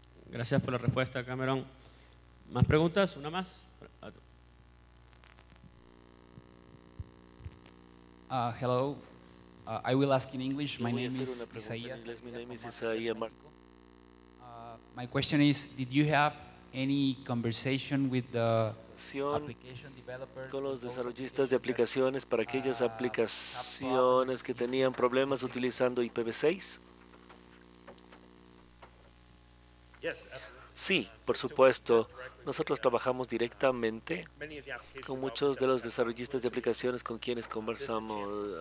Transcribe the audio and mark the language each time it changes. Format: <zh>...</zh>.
<es>Gracias por la respuesta, Cameron. ¿Más preguntas? ¿Una más?</es> <en>Hello. I will ask in English. My name is Isaías.</en> <es>Mi nombre es Isaías Marco.</es> <en>My question is, did you have any conversation with the application developers?</en> <es>Con los desarrollistas de aplicaciones para aquellas aplicaciones que tenían problemas utilizando IPv6? Sí, por supuesto. Nosotros trabajamos directamente con muchos de los desarrollistas de aplicaciones con quienes conversamos.</es>